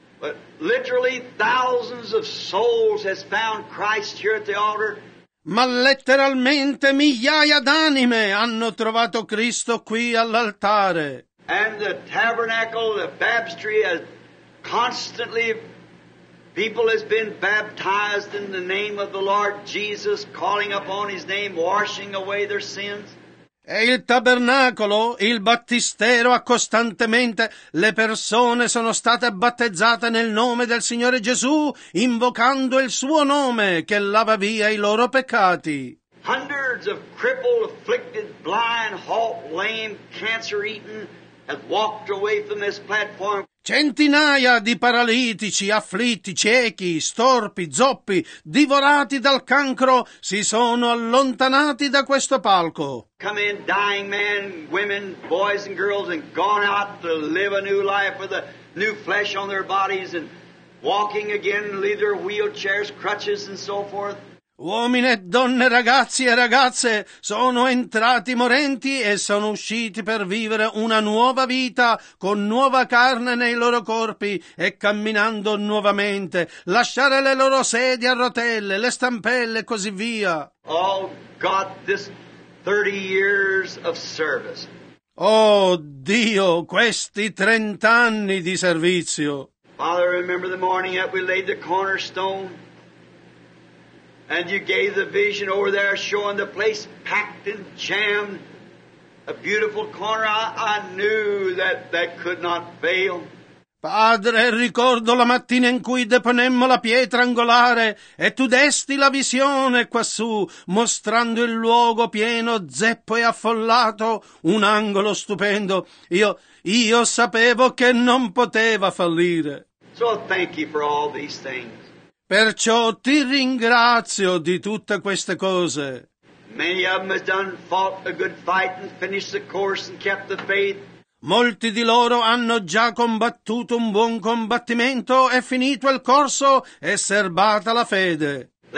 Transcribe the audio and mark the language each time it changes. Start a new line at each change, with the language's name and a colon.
English: But literally thousands of souls has found Christ here at the altar.
Italian: Ma letteralmente migliaia d'anime hanno trovato Cristo qui all'altare.
English: And the tabernacle, the baptistry has constantly... People has been baptized in the name of the Lord Jesus, calling upon His name, washing away their sins.
Italian: E il tabernacolo, il battistero, costantemente le persone sono state battezzate nel nome del Signore Gesù, invocando il suo nome che lava via i loro peccati.
English: Hundreds of crippled, afflicted, blind, halt, lame, cancer-eaten have walked away from this platform.
Italian: Centinaia di paralitici, afflitti, ciechi, storpi, zoppi, divorati dal cancro, si sono allontanati da questo palco.
English: Come in, dying men, women, boys and girls, and gone out to live a new life with a new flesh on their bodies, and walking again, leave their wheelchairs, crutches, and so forth.
Italian: Uomini e donne, ragazzi e ragazze, sono entrati morenti e sono usciti per vivere una nuova vita con nuova carne nei loro corpi e camminando nuovamente, lasciare le loro sedie a rotelle, le stampelle e così via.
English: Oh, God, this 30 years of service.
Italian: Oh, Dio, questi 30 anni di servizio.
English: Father, remember the morning that we laid the cornerstone. And you gave the vision over there showing the place packed and jammed, a beautiful corner. I knew that that could not fail.
Italian: Padre, ricordo la mattina in cui deponemmo la pietra angolare e tu desti la visione quassù, mostrando il luogo pieno, zeppo e affollato, un angolo stupendo. Io sapevo che non poteva fallire.
English: So thank you for all these things.
Italian: Perciò ti ringrazio di tutte queste cose.
English: Many of them have done, fought a good fight and finished the course and kept the faith.
Italian: Molti di loro hanno già combattuto un buon combattimento e finito il corso e serbata la fede.